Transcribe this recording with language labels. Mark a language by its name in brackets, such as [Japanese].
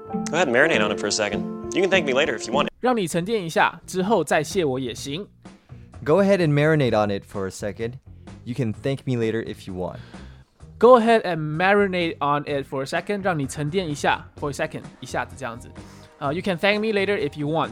[English] Go ahead and marinate on it for a second. You can thank me later if you want it. [Chinese] 让你沉淀一下，之后再谢我也行。 [English] Go ahead and marinate on it for a second. You can thank me later if you want. Go ahead and marinate on it for a second. [Chinese] 让你沉淀一下 [English] for a second, [Chinese] 一下子这样子。 [English] You can thank me later if you want.